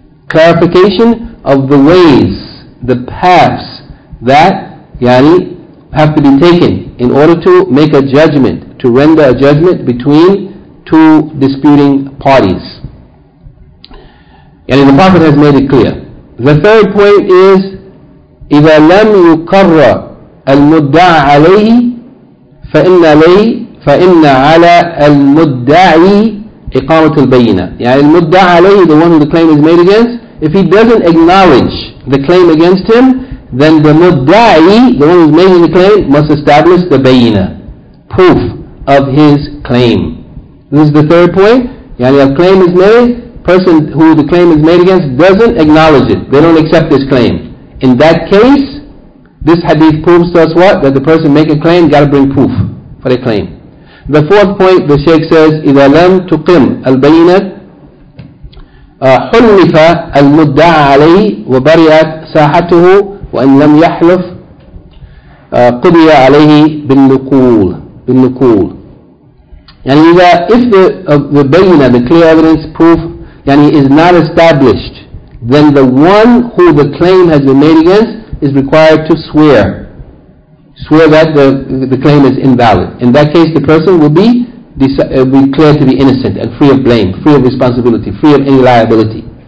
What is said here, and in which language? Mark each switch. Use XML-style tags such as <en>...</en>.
<en>Clarification of the ways, the paths that yani have to be taken in order to make a judgment, to render a judgment between two disputing parties. And the Prophet has made it clear. The third point is,</en> <ar>إِذَا لَمْ يُقَرَّ الْمُدَّعَ عَلَيْهِ فَإِنَّ عَلَى الْمُدَّعِي إِقَامَةُ الْبَيِّنَةِ. يعني المُدَّعَ عَلَيْهِ,</ar> <en>the one who the claim is made against, if he doesn't acknowledge the claim against him, then the mudda'i, the one who is making the claim, must establish the bayina, proof of his claim. This is the third point. Yani a claim is made, person who the claim is made against doesn't acknowledge it. They don't accept this claim. In that case, this hadith proves to us what? That the person making a claim got to bring proof for the claim. The fourth point, the Shaykh says,</en> <ar>إِذَا لَمْ تُقِمْ الْبَيِّنَةِ حُلِّفَ الْمُدَّعَ عَلَيْهِ وَبَرِئَتْ سَاحَتُهُ وَإِنْ لَمْ يَحْلُفْ قُضِيَ عَلَيْهِ بِالنُّقُولِ. يعني إذا</ar> <en>if the بينة, the clear evidence proof يعني is not established, then the one who the claim has been made against is required to swear that the claim is invalid. In that case, the person will be declared to be innocent and free of blame, free of responsibility, free of any liability.</en>